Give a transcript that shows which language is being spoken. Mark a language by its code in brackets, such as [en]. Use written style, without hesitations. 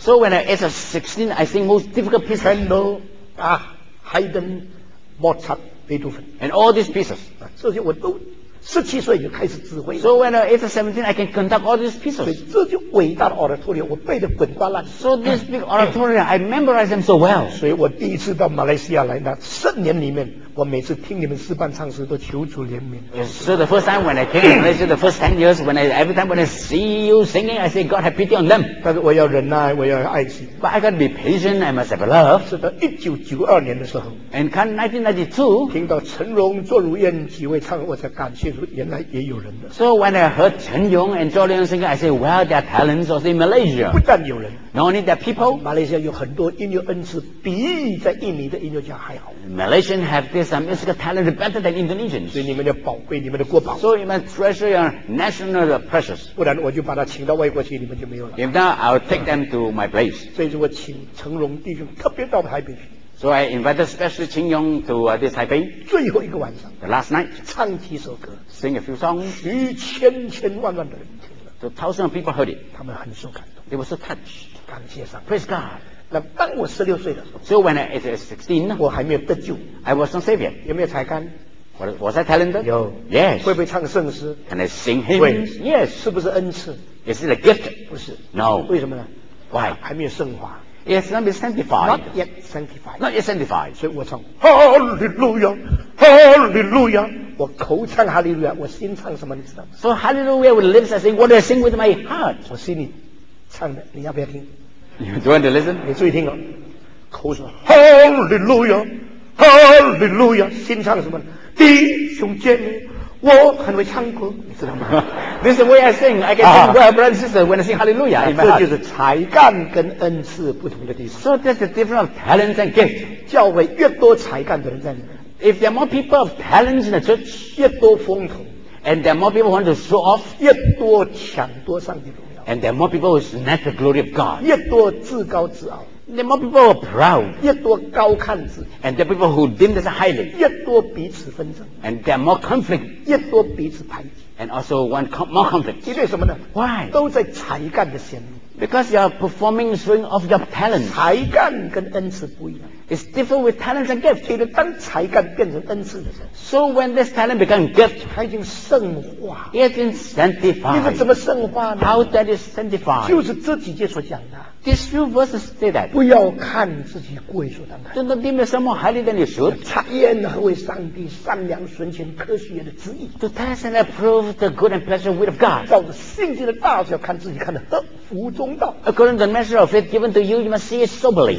[en] So when I was 16, I sing most difficult pieces. Handel, Bach, Haydn, Mozart, Beethoven, and all these pieces. [zh] 这些我都17岁就开始指挥。 [en] So when I was 17, I can conduct all these pieces. [zh] 所以这就伟大的 oratorio， 我背得滚瓜烂。 [en] So this big oratorio, I memorize them so well. [zh] 所以我第一次到马来西亚来，那10年里面。我每次听你们诗班唱诗都求主怜悯。 [en] So the first time when I came to Malaysia, the first 10 years, when I every time when I see you singing, I say God have pity on them. [zh] 但是我要忍耐，我要爱心。 [en] But I gotta be patient. I must have love. [zh] 是到1992年的时候。 [en] And come 1992, [zh] 听到陈荣、卓如燕几位唱，我才感谢主，原来也有人的。 [en] So when I heard 陈荣 and 卓如燕 singing, I say, well, their talents are in Malaysia. [zh] 不但有人。 [en] Not only their people. [zh] 马来西亚有很多音乐恩赐，比在印尼的音乐家还好。 [en] Malaysian have this. Some musical talent is better than Indonesians. [zh] 所以你们的宝贵，你们的国宝。 [en] So you must treasure your national precious. [zh] 不然我就把他请到外国去，你们就没有了。 [en] If not, I'll take them to my place. [zh] 所以我请成龙弟兄特别到台北去。 [en] So I invited especially Qing Yong to this Taipei. [zh] 最后一个晚上 [en] The last night. [zh] 唱几首歌 [en] Sing a few songs. [zh] 许千千万万的人听了 [en] So thousands of people heard it. [zh] 他们很受感动 [en] They were so touched. [zh] 感谢上 [en] Praise God. [zh] 那当我十六岁的时候 [en] So when I was 16, [zh] 我还没有得救 [en] I was not saved yet. [zh] 有没有才干 [en] Was I talented? [zh] 有 [en] Yes. [zh] 会不会唱圣诗 [en] Can I sing hymns? [zh] 会 [en] Yes. [zh] 是不是恩赐 [en] Is it a gift? [zh] 不是 [en] No. [zh] 为什么呢 [en] Why? [zh] 还没有圣化 [en] Yes, not be sanctified. Not yet sanctified. Not yet sanctified. [zh] 所以我唱 Hallelujah, Hallelujah. 我口唱 Hallelujah, 我心唱什么你知道吗 [en] So Hallelujah with lips, I sing. What do I sing with my heart? [zh] 我心里唱的，你要不要听 [en] You want to listen? [zh] 你注意听哦，口说 Hallelujah, Hallelujah. 心唱什么？弟兄姐妹，我很会唱歌，你知道吗？ [en] This is the way I sing. I can sing well, brother and sister, when I sing Hallelujah. [zh] 这就是才干跟恩赐不同的地方。 [en] So that's the difference of talents and gifts. [zh] 教会越多才干的人在里面。 [en] If there are more people of talents in the church, [zh] 越多风头。 [en] And there are more people who want to show off, [zh] 越多抢夺上帝荣耀。 [en] And there are more people who snatch the glory of God, [zh] 越多自高自傲。 [en] The more people are proud, [zh] 越多高看自己 [en] and the people who deem this highly, [zh] 越多彼此纷争 [en] and there are more conflict, [zh] 越多彼此排挤 [en] and also want more conflict. [zh] 因为什么呢 [en] Why? [zh] 都在才干的显露 [en] Because you are performing showing off your talent. [zh] 才干跟恩赐不一样 [en] It's different with talents and gifts. [zh] 因为当才干变成恩赐的时候 [en] So when this talent becomes gift, [zh] 它已经圣化 [en] It's been sanctified. [zh] 你是怎么圣化呢 [en] How that is sanctified? [zh] 就是这几节所讲的 [en] These few verses say that. [zh] 不要看自己贵所当看。 [en] Do not deem yourself more highly than you should. [zh] 查验为上帝善良纯全科学的旨意。 [en] To test and approve the good and pleasant will of God. [zh] 照着信心的大小看自己看得合乎中道。 [en] According to the measure of faith given to you, you must see it soberly.